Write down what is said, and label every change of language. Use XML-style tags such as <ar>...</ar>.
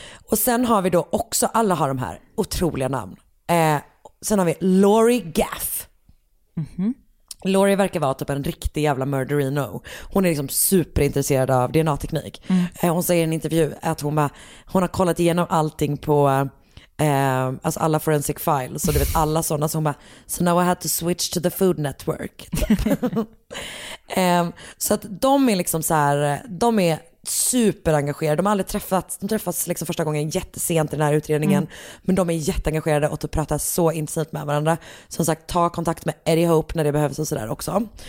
<sv>Och sen har vi då också, alla har de här otroliga namn. Sen har vi Lori Gaff. Lori verkar vara typ en riktig jävla murderino. Hon är liksom superintresserad av DNA-teknik. Hon säger i en intervju att hon har kollat igenom allting på alltså alla forensic files, så du vet, alla sådana. Så hon bara,</sv> <en>so now I had to switch to the food network.</en> <sv>Så att de är liksom så här, de är superengagerade. De har aldrig träffats, de träffas liksom första gången jättesent i den här utredningen. Men de är jätteengagerade och de pratar så intensivt med varandra. Som sagt, ta kontakt med Eddie Hope när det behövs och sådär också.</sv>